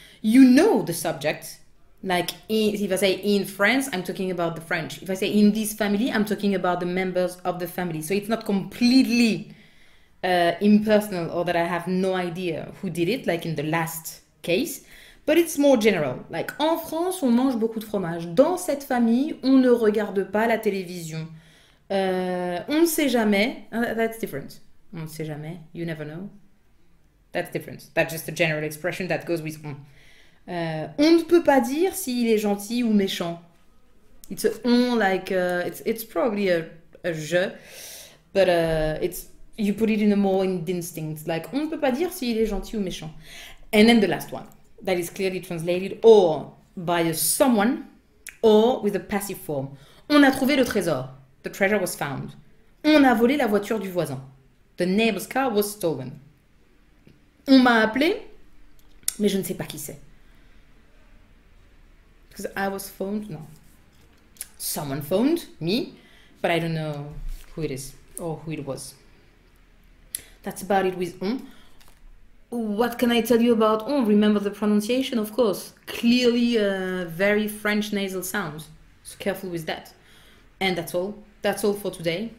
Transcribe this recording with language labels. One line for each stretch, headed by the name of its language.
English: You know the subject. Like, if I say in France, I'm talking about the French. If I say in this family, I'm talking about the members of the family. So it's not completely impersonal or that I have no idea who did it, like in the last case. But it's more general. Like,
French: en France, on mange beaucoup de fromage. Dans cette famille, on ne regarde pas la télévision. On ne sait jamais.
English: That's different.
French: On ne sait jamais.
English: You never know. That's different. That's just a general expression that goes with on.
French: On ne peut pas dire s'il est gentil ou méchant.
English: It's a on, like, it's probably a je, but it's you put it in a more instinct.
French: Like, on ne peut pas dire s'il est gentil ou méchant.
English: And then the last one, that is clearly translated or by a someone or with a passive form.
French: On a trouvé le trésor.
English: The treasure was found.
French: On a volé la voiture du voisin.
English: The neighbor's car was stolen.
French: On m'a appelé, mais je ne sais pas qui c'est.
English: I was phoned, no. Someone phoned me, but I don't know who it is or who it was. That's about it with on. What can I tell you about on? Remember the pronunciation, of course. Clearly a very French nasal sound. So careful with that. And that's all. That's all for today.